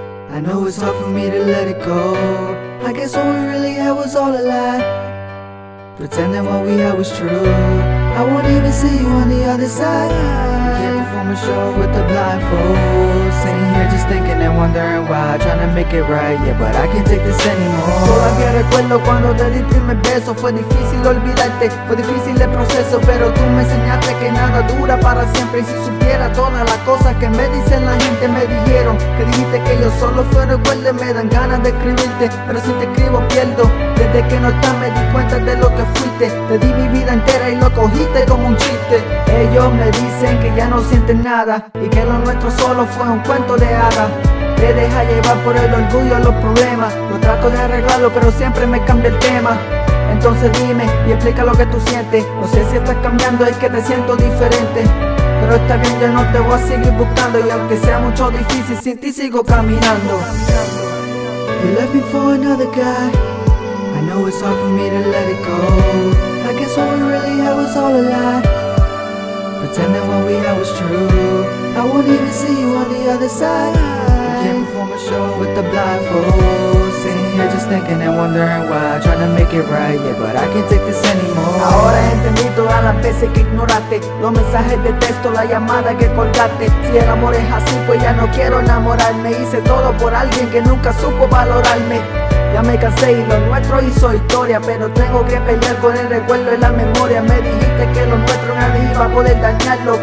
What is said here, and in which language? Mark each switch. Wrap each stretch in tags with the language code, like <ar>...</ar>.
<en>I know it's hard for me to let it go. I guess all we really had was all a lie. Pretending what we had was true. I won't even see you on the other side. Can't perform a show with a blindfold. Sitting here just thinking and wondering why. Trying to make it right, yeah, but I can't take this anymore.</en> <es>Todavía recuerdo cuando te di primer beso. Fue difícil olvidarte, fue difícil el proceso. Pero tú me enseñaste que nada dura para siempre. Y si supiera todas las cosas que me dicen la gente, me dijeron que dijiste que yo solo fui recuerdo. Me dan ganas de escribirte, pero si te escribo pierdo. Desde que no estás me di cuenta de lo que fuiste. Te di mi vida entera y lo cogiste como un chiste. Ellos me dicen que ya no sienten nada. Y que lo nuestro solo fue un cuento de hadas. Te deja llevar por el orgullo los problemas. Lo trato de arreglarlo pero siempre me cambia el tema. Entonces dime y explica lo que tú sientes. No sé si estás cambiando, es que te siento diferente. Pero está bien, yo no te voy a seguir buscando. Y aunque sea mucho difícil, sin ti sigo caminando.</es> <en>You left me for another guy. I know it's hard for me to let it go. I guess what we really had was all a lie. Pretending what we had was true. I won't even see you on the other side. Can't perform a show with a blindfold. Sitting here just thinking and wondering why. Trying to make it right, yeah, but I can't take this anymore.</en> <es>Ahora entendí todas las veces que ignoraste. Los mensajes de texto, la llamada que colgaste. Si el amor es así, pues ya no quiero enamorarme. Hice todo por alguien que nunca supo valorarme. Ya me cansé y lo nuestro hizo historia. Pero tengo que pelear con el recuerdo y la memoria. Me dijiste que lo nuestro nadie iba a poder dañarlo.</es>